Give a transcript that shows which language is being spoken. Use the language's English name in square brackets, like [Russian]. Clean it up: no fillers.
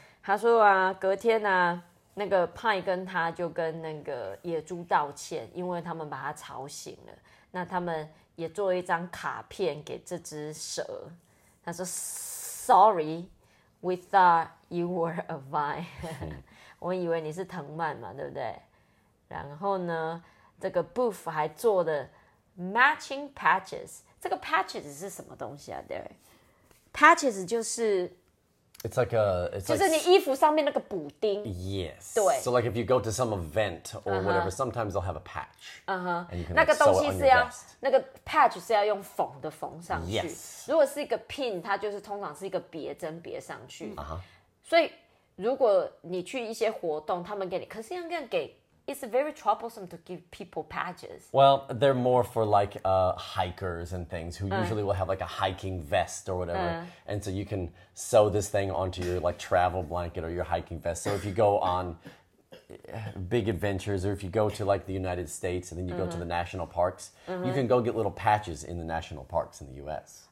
[Chinese] 他说啊，隔天啊，那个 Pine 跟他就跟那个野猪道歉，因为他们把他吵醒了。那他们也做了一张卡片给这只蛇。他说 [English] ，Sorry, we thought you were a vine. [Chinese] 我以为你是藤蔓嘛，对不对？然后呢？这个 Boof 还做的 [English] matching patches， [Chinese] 这个 patches 是什么东西啊 ？Derek， patches 就是 [English] ，it's like a， it's [Chinese] 就是你衣服上面那个补丁。 [English] Yes， [Chinese] 对。 [English] So like if you go to some event or whatever,、uh-huh. sometimes they'll have a patch. [Chinese] 那个东西是要那个 patch 是要用缝的缝上去。 [English] Yes， [Chinese] 如果是一个 pin， 它就是通常是一个别针别上去。所以如果你去一些活动，他们给你，可是要这样给。 [English] It's very troublesome to give people patches. Well, they're more for like、hikers and things who usually will have like a hiking vest or whatever.、And so you can sew this thing onto your like travel blanket or your hiking vest. So if you go on big adventures or if you go to like the United States and then you、go to the national parks,、you can go get little patches in the national parks in the U.S.